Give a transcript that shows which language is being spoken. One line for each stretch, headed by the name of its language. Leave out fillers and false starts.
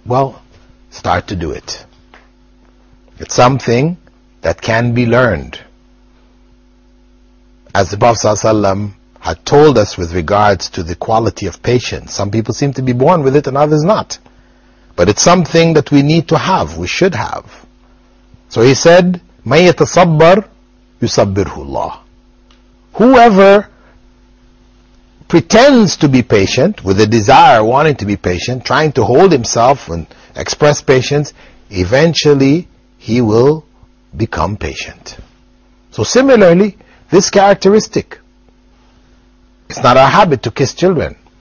English: Well, start to do it. It's something that can be learned. As the Prophet ﷺ had told us with regards to the quality of patience, some people seem to be born with it and others not. But it's something that we need to have, we should have. So he said,
Arabic: مَنْ يَتَصَبَّرْ يُصَبِّرْهُ اللَّهُ.
English: Whoever pretends to be patient, with a desire wanting to be patient, trying to hold himself and express patience, eventually he will become patient. So similarly, this characteristic, it's not our habit to kiss children.